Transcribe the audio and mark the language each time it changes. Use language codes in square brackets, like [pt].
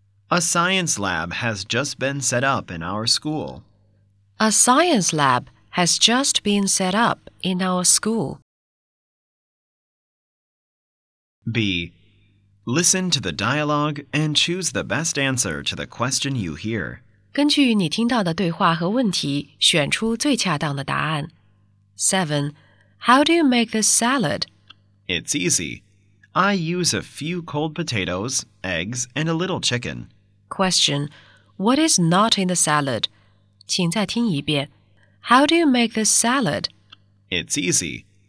[en] A science lab has just been set up in our school. A science lab has just been set up in our school. B. Listen to the dialogue and choose the best answer to the question you hear. [zh] 根据你听到的对话和问题，选出最恰当的答案。 [en] 7. How do you make this salad? It's easy. I use a few cold potatoes, eggs, and a little chicken. Question. What is not in the salad? 请再听一遍。 How do you make this salad? It's easy.